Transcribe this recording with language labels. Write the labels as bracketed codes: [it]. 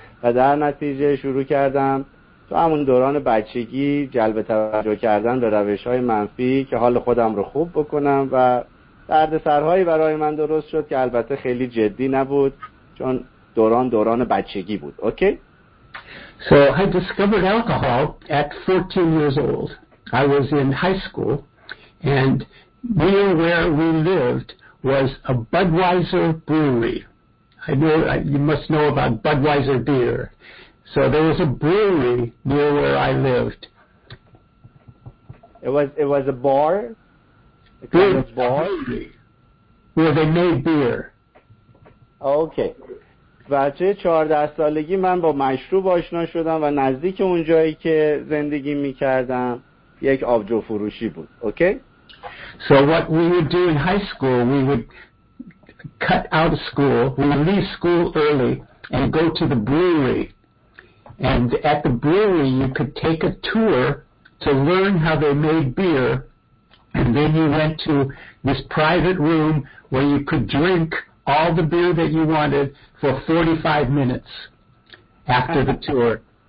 [fa] و در نتیجه شروع کردم تو همون دوران بچگی جلب توجه کردن به روش‌های منفی که حال خودم رو خوب بکنم، و دردسرهایی برای من درست شد که البته خیلی جدی نبود چون دوران بچگی بود. [en] Okay? So I discovered alcohol at 14 years old. I was in high school, and near where we lived was a Budweiser brewery. I know you must know about Budweiser beer. So there was a brewery near where I lived. It was a bar? A kind of bar? Where they made beer. Okay. [fa] و توی 14 سالگی من با مشروب آشنا شدم و نزدیک اونجایی که زندگی میکردم یک آبجو فروشی بود. [en] Okay? So what we would do in high school, we would cut out of school, we would leave school early and go to the brewery. And at the brewery you could take a tour to learn how they made beer, and then you went to this private room where you could drink all the beer that you wanted for 45 minutes after the tour.